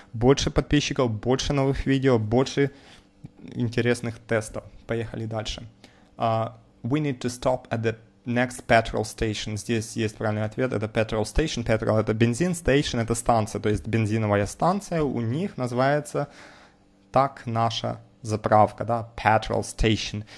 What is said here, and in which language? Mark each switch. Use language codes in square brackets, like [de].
[ru] Больше подписчиков, больше новых видео, больше интересных тестов. Поехали дальше. [en] We need to stop at the next petrol station. [ru] Здесь есть правильный ответ. Это petrol station. Petrol — это бензин, station — это станция. То есть бензиновая станция у них называется так наша заправка, да, petrol station.